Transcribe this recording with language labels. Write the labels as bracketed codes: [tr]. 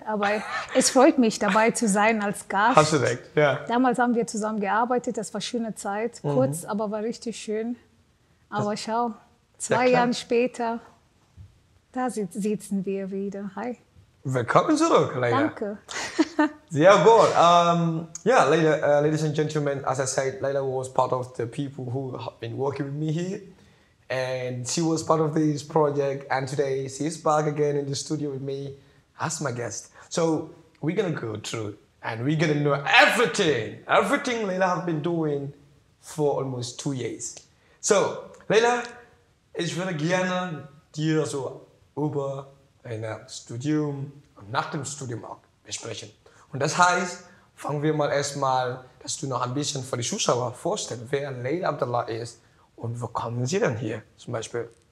[de] Aber es freut mich, dabei zu sein als Gast. Hast du recht, ja. Damals haben wir zusammen gearbeitet. Das war eine schöne Zeit. Kurz, aber war richtig schön. Aber das, schau, zwei Jahre später, da sitzen wir wieder. Hi. Willkommen zurück, Leila. Danke. Sehr gut. [en] Ja, ladies and gentlemen, as I said, Leila was part of the people who have been working with me here. And she was part of this project, and today she's back again in the studio with me as my guest. So we're gonna go through and we're gonna know everything Leila have been doing for almost 2 years. [de] So Leila, ich würde gerne dir so über ein Studium und nach dem Studium auch besprechen. Und das heißt, fangen wir mal erstmal, dass du noch ein bisschen für die Zuschauer vorstellst, wer Leila Abdallah ist. Und wo kommen Sie denn hier zum Beispiel?